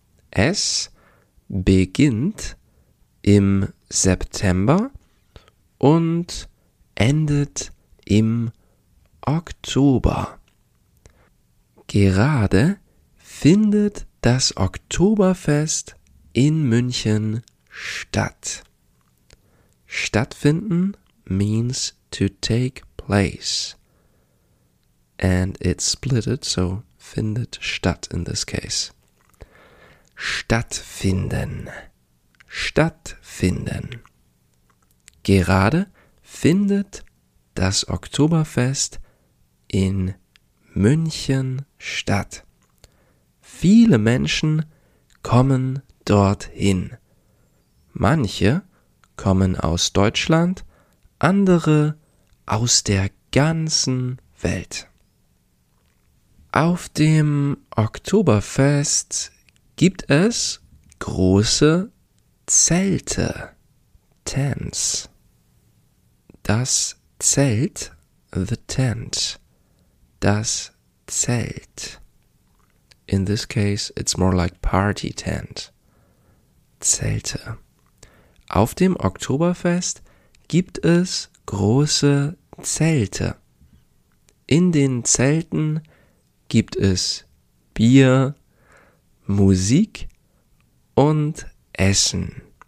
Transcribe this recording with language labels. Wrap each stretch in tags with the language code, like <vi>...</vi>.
<de>Es beginnt im September und endet im Oktober. Gerade findet das Oktoberfest in München statt.</de> <en>Stattfinden means to take place. And it's splitted, so findet statt in this case.</en> <de>Stattfinden. Stattfinden. Gerade findet das Oktoberfest in München statt. Viele Menschen kommen dorthin. Manche kommen aus Deutschland, andere aus der ganzen Welt. Auf dem Oktoberfest gibt es große Zelte, Tents. Das Zelt, the tent, das Zelt.</de> <en>In this case, it's more like party tent, Zelte.</en> <de>Auf dem Oktoberfest gibt es große Zelte. In den Zelten gibt es Bier, Musik und Essen.</de>